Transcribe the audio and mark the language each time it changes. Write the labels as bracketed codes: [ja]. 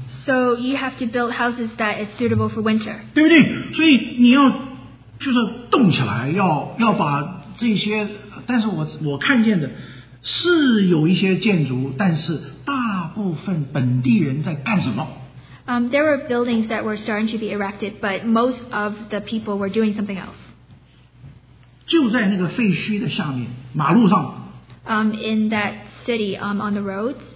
[en] So you have to build houses that is suitable for winter. [zh] 对不对？所以你要就是动起来，要把这些，但是我看见的。是有一些建筑，但是大部分本地人在干什么？ [en] There were buildings that were starting to be erected, but most of the people were doing something else. [zh] 就在那个废墟的下面，马路上。 [en] In that city, on the roads.